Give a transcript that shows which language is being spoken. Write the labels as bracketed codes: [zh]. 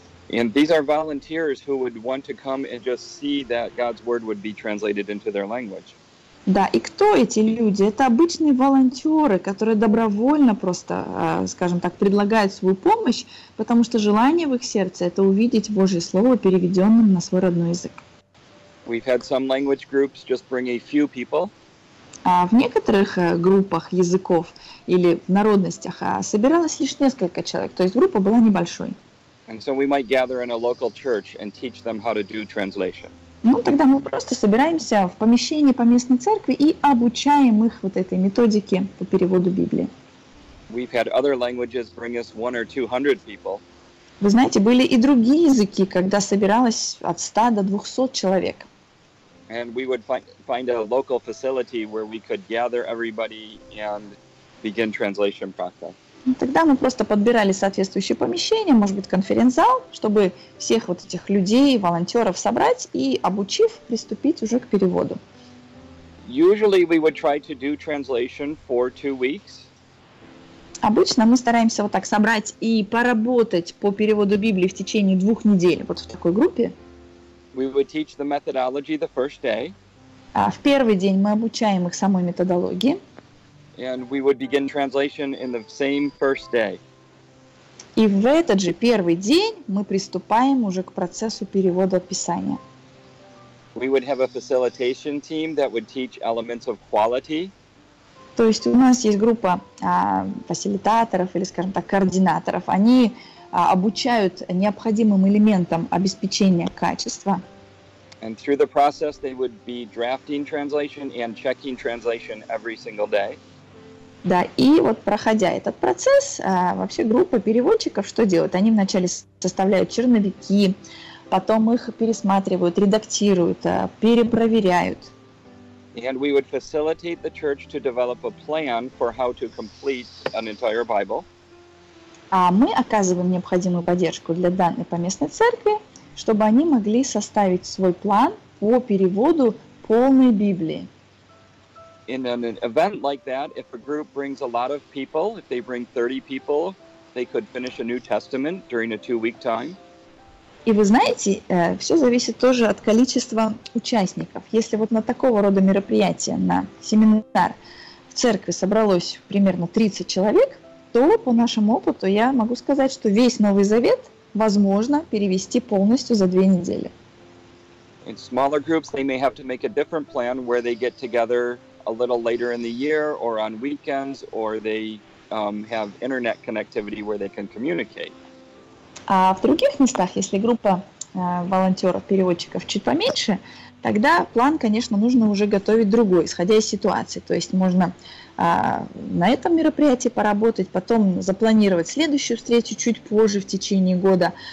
[en] And these are volunteers who would want to come and just see that God's word would be translated into their language. [ru] Да, и кто эти люди? Это обычные волонтеры, которые добровольно просто, скажем так, предлагают свою помощь, потому что желание в их сердце – это увидеть Божье Слово, переведенным на свой родной язык. [en] We've had some language groups just bring a few people. [ru] В некоторых группах языков или в народностях собиралось лишь несколько человек, то есть группа была небольшой. [en] And so we might gather in a local church and teach them how to do translation. [ru] Ну, тогда мы просто собираемся в помещении по местной церкви и обучаем их вот этой методике по переводу Библии. [en] We've had other languages bring us 100 or 200 people. [ru] Вы знаете, были и другие языки, когда собиралось от 100 до 200 человек. [en] And we would find a local facility where we could gather everybody and begin translation practice. [ru] Тогда мы просто подбирали соответствующее помещение, может быть, конференц-зал, чтобы всех вот этих людей, волонтеров собрать и, обучив, приступить уже к переводу. [en] Usually we would try to do translation for 2 weeks. [ru] Обычно мы стараемся вот так собрать и поработать по переводу Библии в течение 2 недель, вот в такой группе. [en] We would teach the methodology the first day. [ru] В первый день мы обучаем их самой методологии. [en] And we would begin translation in the same first day. [ru] И в этот же первый день мы приступаем уже к процессу перевода Писания. [en] We would have a facilitation team that would teach elements of quality. [ru] То есть у нас есть группа фасилитаторов или, скажем так, координаторов. Они обучают необходимым элементам обеспечения качества. [en] And through the process they would be drafting translation and checking translation every single day. [ru] Да, и вот проходя этот процесс, вообще группа переводчиков что делают? Они вначале составляют черновики, потом их пересматривают, редактируют, перепроверяют. [en] And we would facilitate the church to develop a plan for how to complete an entire Bible. [ru] А мы оказываем необходимую поддержку для данной поместной церкви, чтобы они могли составить свой план по переводу полной Библии. [en] In an event like that, if a group brings a lot of people, if they bring 30 people, they could finish a New Testament during a 2-week time. [ru] И вы знаете, все зависит тоже от количества участников. Если вот на такого рода мероприятие, на семинар в церкви собралось примерно 30 человек, то по нашему опыту я могу сказать, что весь Новый Завет возможно перевести полностью за 2 недели. [en] In smaller groups, they may have to make a different plan where they get together a little later in the year, or on weekends, or they have internet connectivity where they can communicate. [ru] А в других местах, если группа волонтеров, переводчиков чуть поменьше, тогда план, конечно, нужно уже готовить другой, исходя из ситуации. То есть можно на этом мероприятии поработать, потом запланировать следующую встречу чуть позже в течение года.